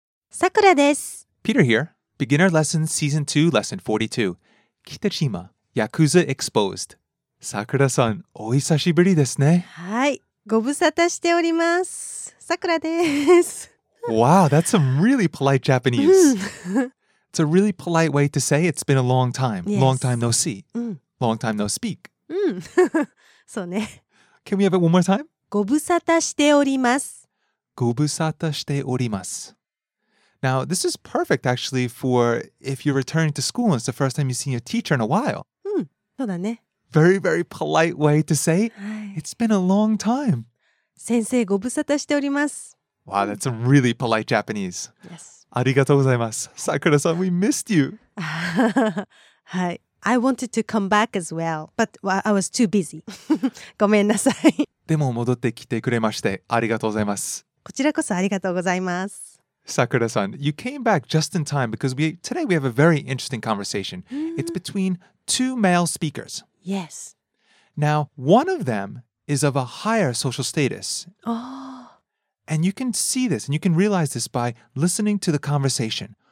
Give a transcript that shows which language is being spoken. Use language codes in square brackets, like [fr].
[ja] さくらです。 [en] Peter here. Beginner Lessons Season 2 Lesson 42 Kitajima Yakuza Exposed. [ja] Sakura-san, お久しぶりですね。はい、ご無沙汰しております。さくらです。 [en] Wow, that's some really polite Japanese. It's a really polite way to say it's been a long time. Yes. Long time no see. Long time no speak. [ja] そうね。 [en] Can we have it one more time? [ja] ご無沙汰しております。ご無沙汰しております。 [en] Now, this is perfect, actually, for if you're returning to school and it's the first time you've seen your teacher in a while. [ja] そうだね。 [en] Very, very polite way to say, it's been a long time. [ja] 先生、ご無沙汰しております。 [en] Wow, that's some really polite Japanese. Yes. [ja] ありがとうございます。 [en] Sakura-san, we missed you. [ja] はい。 [en] I wanted to come back as well, but I was too busy. [ja] ごめんなさい。でも戻ってきてくれまして、ありがとうございます。こちらこそありがとうございます。 [en] Sakura-san, you came back just in time because today we have a very interesting conversation. It's between two male speakers. Yes. Now, one of them is of a higher social status. Oh. And you can see this and you can realize this by listening to the conversation.